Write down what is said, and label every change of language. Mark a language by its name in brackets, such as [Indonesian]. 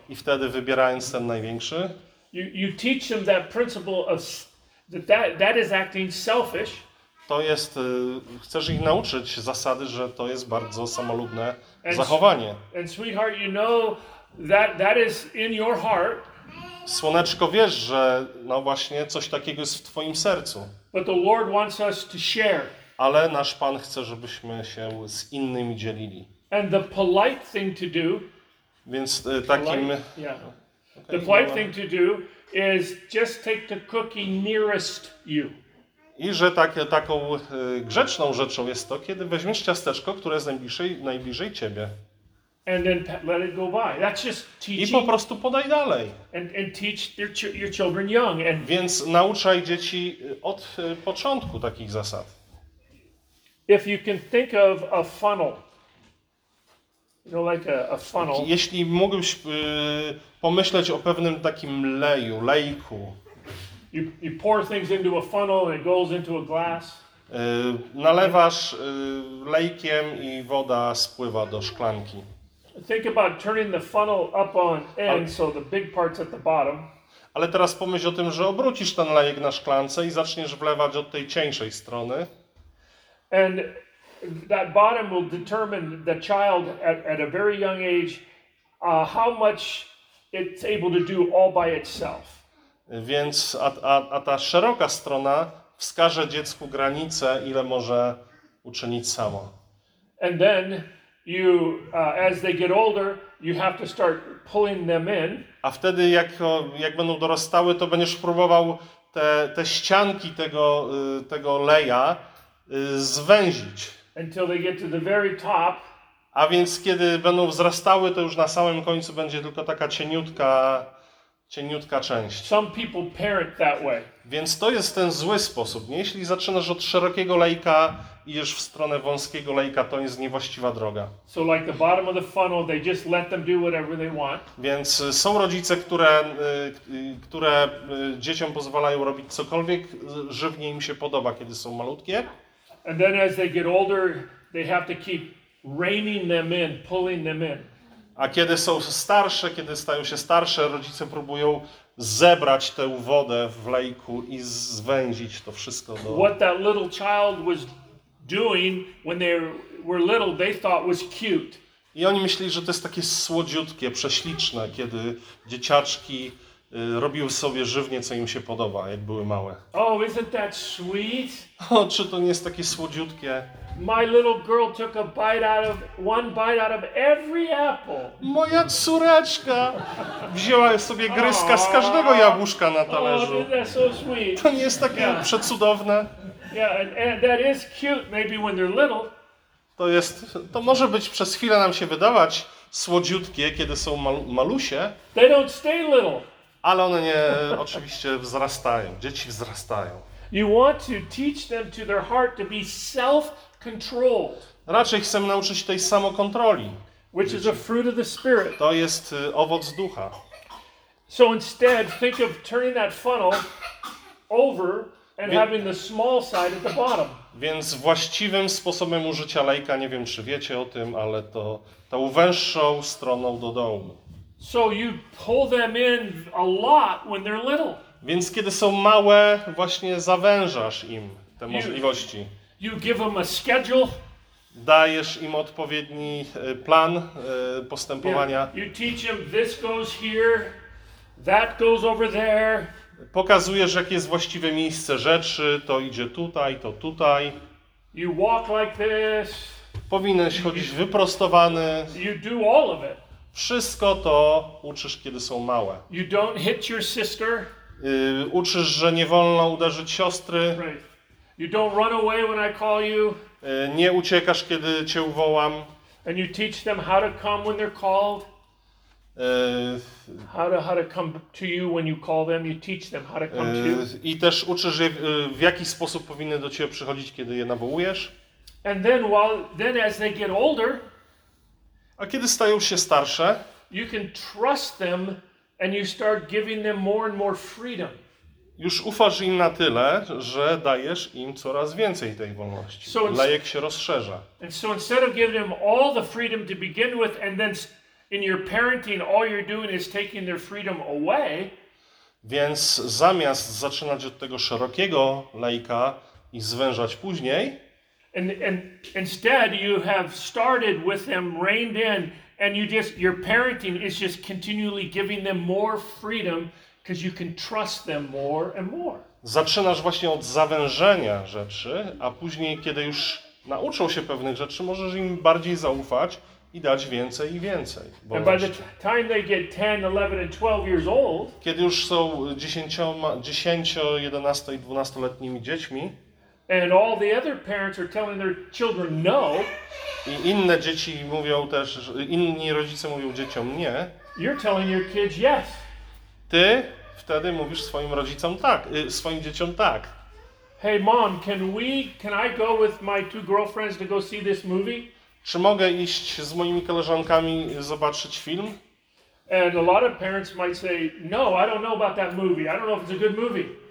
[Polish] I wtedy wybierając ten największy. [English] You teach them that principle of that is acting selfish. [Polish] To jest, chcesz ich nauczyć zasady, że to jest bardzo samolubne zachowanie. [English] And sweetheart, you know that is in your heart. [Polish] Słoneczko, wiesz, że no właśnie coś takiego jest w twoim sercu. [English] But the Lord wants us to share. [Polish] Ale nasz Pan chce, żebyśmy się z innymi dzielili. [English] And the polite thing to do. [Polish] Więc takim. [English] The polite thing to do is just take the cookie nearest you. [Polish] I że taką grzeczną rzeczą jest to, kiedy weźmiesz ciasteczko, które jest najbliżej ciebie. [English] And then let it go by. That's just teaching. [Polish] I po prostu podaj dalej. [English] And teach your children young. And [Polish] więc nauczaj dzieci od początku takich zasad. [English] If you can think of a funnel, you know, like a funnel. [Polish] Jeśli mógłbyś pomyśleć o pewnym takim leju, lejku. [English] You pour things into a funnel and it goes into a glass. [Polish] Nalewasz lejkiem i woda spływa do szklanki. [English] Think about turning the funnel up on end, so the big part's at the bottom. [Polish] Ale teraz pomyśl o tym, że obrócisz ten lejek na szklance i zaczniesz wlewać od tej cieńszej strony. [English] And that bottom will determine the child at a very young age how much it's able to do all by itself. [Polish] Więc a ta szeroka strona wskaże dziecku granicę, ile może uczynić samo. [English] And then you as they get older, you have to start pulling them in. [Polish] A wtedy jak będą dorastały, to będziesz próbował te ścianki tego leja zwęzić. [English] Until they get to the very top. [Polish] A więc kiedy będą wzrastały, to już na samym końcu będzie tylko taka cieniutka część. [English] Some people parent that way. [Polish] Więc to jest ten zły sposób. Nie? Jeśli zaczynasz od szerokiego lejka i idziesz w stronę wąskiego lejka, to jest niewłaściwa droga. [English] So like the bottom of the funnel, they just let them do whatever they want. [Polish] Więc są rodzice, które dzieciom pozwalają robić cokolwiek żywnie im się podoba, kiedy są malutkie. [English] And then as they get older, they have to keep reining them in, pulling them in. [Polish] A kiedy są starsze, kiedy stają się starsze, rodzice próbują zebrać tę wodę w lejku i zwęzić to wszystko do. [English] What that little child was doing when they were little, they thought was cute. [Polish] I oni myśleli, że to jest takie słodziutkie, prześliczne, kiedy dzieciaczki robił sobie żywnie, co im się podoba, jak były małe. [English] Oh, isn't that sweet? [Polish] O, czy to nie jest takie słodziutkie? [English] My little girl took a bite out of one bite out of every apple. [Polish] Moja córeczka wzięła sobie gryzka z każdego jabłuszka na talerzu. [English] Oh, isn't that so sweet? [Polish] To nie jest takie przecudowne? [English] Yeah, and that is cute, maybe when they're little. [Polish] To może być przez chwilę nam się wydawać słodziutkie, kiedy są malusie. [English] They don't stay little. [Polish] Ale one nie, oczywiście wzrastają. Dzieci wzrastają. [English] You want to teach them to their heart to be self-controlled. [Polish] Raczej chcemy nauczyć tej samokontroli. [English] Which is a fruit of the spirit. [Polish] To jest owoc ducha. [English] So instead, think of turning that funnel over and having the small side at the bottom. [Polish] Więc właściwym sposobem użycia lejka, nie wiem czy wiecie o tym, ale to tą węższą stroną do dołu. [English] So you pull them in a lot when they're little. [Polish] Więc kiedy są małe, właśnie zawężasz im te możliwości. [English] You give them a schedule. [Polish] Dajesz im odpowiedni plan postępowania. [English] Yeah. You teach them this goes here, that goes over there. [Polish] Pokazujesz, jakie jest właściwe miejsce rzeczy, to idzie tutaj, to tutaj. [English] You walk like this. [Polish] Powinieneś chodzić wyprostowany. [English] You do all of it. [Polish] Wszystko to uczysz, kiedy są małe. [English] You don't hit your sister. [Polish] Uczysz, że nie wolno uderzyć siostry. [English] Right. You don't run away when I call you. [Polish] Nie uciekasz, kiedy cię wołam. [English] And you teach them how to come when they're called. How to come to you when you call them. You teach them how to come to you. [Polish] I też uczysz, w jaki sposób powinny do ciebie przychodzić, kiedy je nawołujesz. [English] And then, as they get older. [Polish] A kiedy stają się starsze, [English] you can trust them and you start giving them more and more freedom. [Polish] Już ufasz im na tyle, że dajesz im coraz więcej tej wolności. [English] So [Polish] lejek się rozszerza. [English] And so instead of giving them all the freedom to begin with and then in your parenting all you're doing is taking their freedom away. [Polish] Więc zamiast zaczynać od tego szerokiego lejka i zwężać później, [English] And instead you have started with them reined in and your parenting is just continually giving them more freedom because you can trust them more and more. [Polish] Zaczynasz właśnie od zawężenia rzeczy, a później kiedy już nauczą się pewnych rzeczy, możesz im bardziej zaufać i dać więcej i więcej. [English] And by the time they get 10, 11 and 12 years old, [Polish] kiedy już są 10, 11 i 12-letnimi dziećmi, [English] and all the other parents are telling their children no. [Polish] I inne dzieci mówią też, inni rodzice mówią dzieciom nie. [English] You're telling your kids yes. [Polish] Ty wtedy mówisz swoim rodzicom tak, swoim dzieciom tak. [English] Hey mom, can I go with my two girlfriends to go see this movie? [Polish] Czy mogę iść z moimi koleżankami zobaczyć film? [English] And a lot of parents might say, no, I don't know about that movie. I don't know if it's a good movie.